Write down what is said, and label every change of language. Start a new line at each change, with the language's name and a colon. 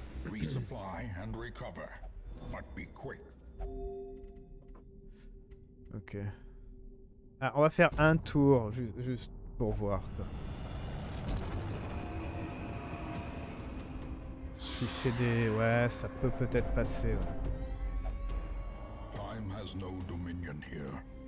English: Resupply and recover, but be quick. Ok.
French: Ah, on va faire un tour juste pour voir quoi. Si c'est des... Ouais, ça peut peut-être passer. Ouais.
English: Time has no dominion here.